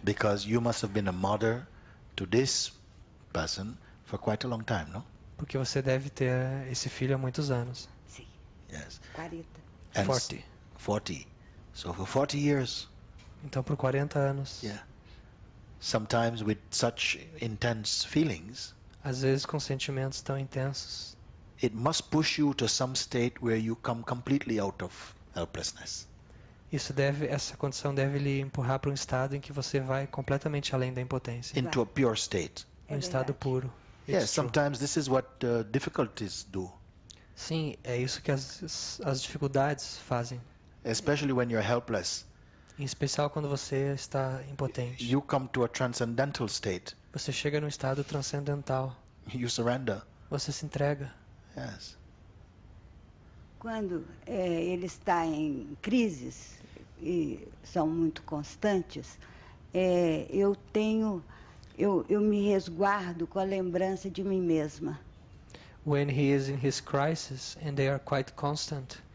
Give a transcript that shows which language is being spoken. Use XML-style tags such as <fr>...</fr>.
<en>Because you must have been a mother to this person for quite a long time, no?</en> <pt>Porque você deve ter esse filho há muitos anos. Sim.</pt> <en>Yes. 40.</en> <pt>40.</pt> <en>40. So for 40 years.</en> <pt>Então por 40 anos.</pt> <en>Yeah. Sometimes with such intense feelings.</en> <pt>Às vezes com sentimentos tão intensos.</pt> <en>It must push you to some state where you come completely out of helplessness.</en> <pt>Isso deve, essa condição deve lhe empurrar para um estado em que você vai completamente além da impotência.</pt> <en>Into a pure state.</en> <pt>Um estado puro.</pt> <en>Yes, sometimes this is what difficulties do.</en> <pt>Sim, é isso que as dificuldades fazem.</pt> <en>Especially when you're helpless.</en> <pt>Em especial quando você está impotente.</pt> <en>You come to a transcendental state.</en> <pt>Você chega num estado transcendental.</pt> <en>You surrender.</en> <pt>Você se entrega.</pt> <en>Yes.</en> <pt>Quando ele está em crises e são muito constantes, eu me resguardo com a lembrança de mim mesma.</pt> <en>When he is in his crisis and they are quite constant,</en>